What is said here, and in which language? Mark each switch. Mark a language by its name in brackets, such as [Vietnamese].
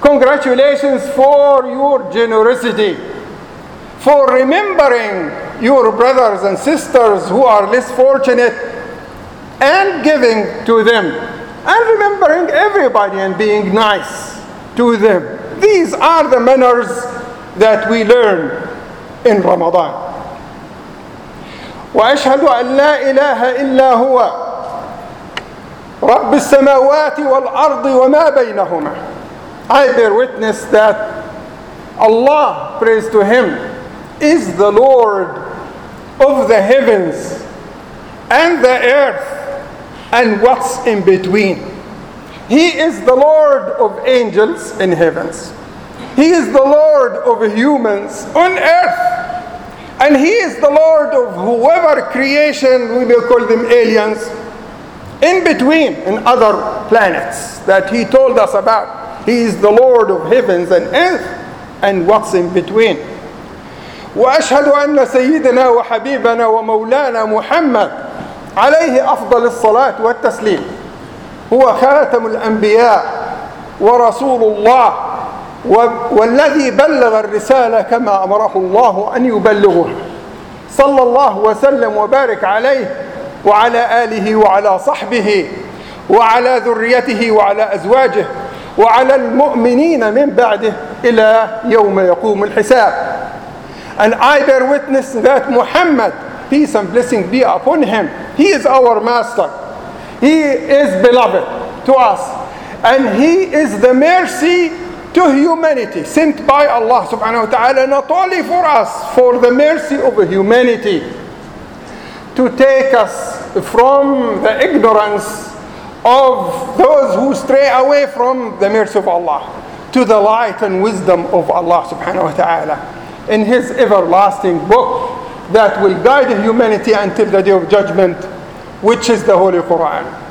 [English] Congratulations for your generosity, for remembering your brothers and sisters who are less fortunate and giving to them, and remembering everybody and being nice to them. These are the manners that we learn in Ramadan. [Arabic] وأشهد أن لا إله إلا هو رب السماوات والأرض وما بينهما. [English] I bear witness that Allah, praise to Him, is the Lord of the heavens and the earth and what's in between. He is the Lord of angels in heavens. He is the Lord of humans on earth. And He is the Lord of whoever creation, we will call them aliens, in between in other planets that he told us about. He is the Lord of heavens and earth and what's in between. [Arabic] وأشهد أن سيدنا وحبيبنا ومولانا محمد عليه أفضل الصلاة والتسليم هو خاتم الأنبياء ورسول الله والذي بلغ الرسالة كما أمره الله أن يبلغه صلى الله وسلم وبارك عليه وعلى آله وعلى صحبه وعلى ذريته وعلى أزواجه وعلى المؤمنين من بعده إلى يوم يقوم الحساب. [English] And I bear witness that Muhammad, peace and blessing be upon him, he is our master. He is beloved to us. And he is the mercy to humanity sent by Allah subhanahu wa ta'ala, not only for us, for the mercy of humanity, to take us from the ignorance of those who stray away from the mercy of Allah to the light and wisdom of Allah subhanahu wa ta'ala in his everlasting book that will guide humanity until the day of judgment, which is the Holy Quran.